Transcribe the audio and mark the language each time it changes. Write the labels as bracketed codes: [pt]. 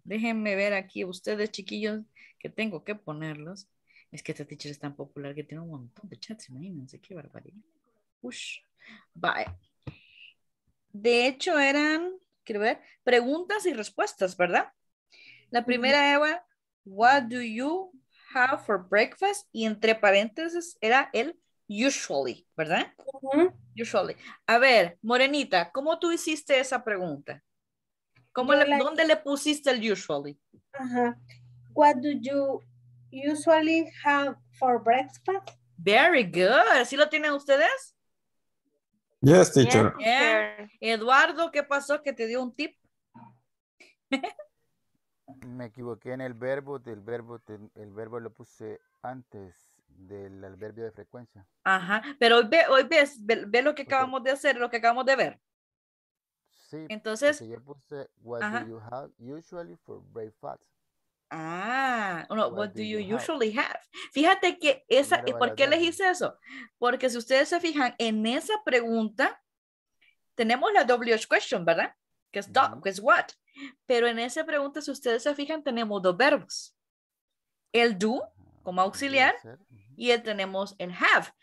[es] Déjenme ver aquí ustedes, chiquillos, que tengo que ponerlos. Es que esta teacher es tan popular que tiene un montón de chats. Imagínense qué barbaridad. Ush. Bye. De hecho, eran, quiero ver, preguntas y respuestas, ¿verdad? La primera era, [en] what do you have for breakfast? [es] Y entre paréntesis era el usually, ¿verdad? Uh-huh. [en] Usually. [es] A ver, Morenita, ¿cómo tú hiciste esa pregunta? ¿Cómo le, [en] like, [es] ¿dónde le pusiste el usually? [en] Ajá. Uh-huh. What do you usually have for breakfast? Very good. [es] ¿Sí lo tienen ustedes? [en] Yes, teacher. Yeah. [es] Eduardo, ¿qué pasó? ¿Que te dio un tip? Me equivoqué en el verbo. El verbo lo puse antes del adverbio de frecuencia. Ajá, pero hoy ves lo que acabamos de hacer, lo que acabamos de ver. Sí. Entonces, yo puse, [en] what do you have usually for breakfast? Ah, no, what do you usually have? [es] Fíjate que esa, ¿por qué les hice eso? Porque si ustedes se fijan en esa pregunta, tenemos la WH question, ¿verdad? Que es dog, que es what. Pero en esa pregunta, si ustedes se fijan, tenemos dos verbos. El do, como auxiliar, y el tenemos el have.